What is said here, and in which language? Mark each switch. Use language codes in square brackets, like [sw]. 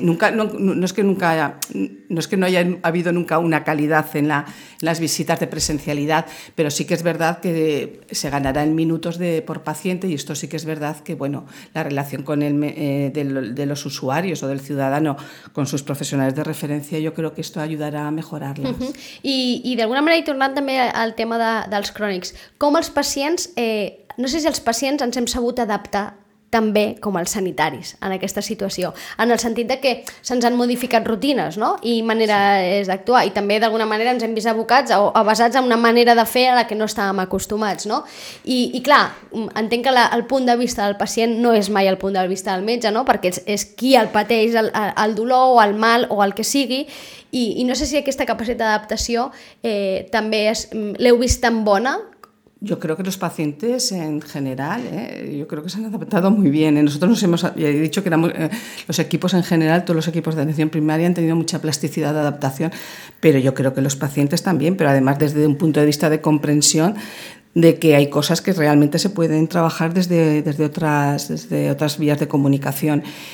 [es] Nunca, no, no es que nunca haya, no es que no haya habido nunca una calidad en la, en las visitas de presencialidad, pero sí que es verdad que se ganará en minutos de por paciente, y esto sí que es verdad que, bueno, la relación con el de los usuarios o del ciudadano con sus profesionales de referencia, yo creo que esto ayudará a mejorarlas. Uh-huh. [ca] I d'alguna manera, i tornant també al tema dels crònics, com els pacients, no sé si els pacients ens hem sabut adaptar també com els sanitaris en aquesta situació, en el sentit de que se'ns han modificat rutines, no? I maneres sí. d'actuar, i també d'alguna manera ens hem vist abocats o basats en una manera de fer a la que no estàvem acostumats, no? I clar, entenc que el punt de vista del pacient no és mai el punt de vista del metge, no? Perquè és qui el pateix el dolor o el mal o el que sigui, i no sé si aquesta capacitat d'adaptació també és, l'heu vist tan bona. [es] Yo creo que los pacientes en general, yo creo que se han adaptado muy bien. Nosotros nos hemos, ya he dicho que éramos, los equipos en general, todos los equipos de atención primaria han tenido mucha plasticidad de adaptación, pero yo creo que los pacientes también, pero además desde un punto de vista de comprensión, de que hay cosas que realmente se pueden trabajar desde otras vías de comunicación.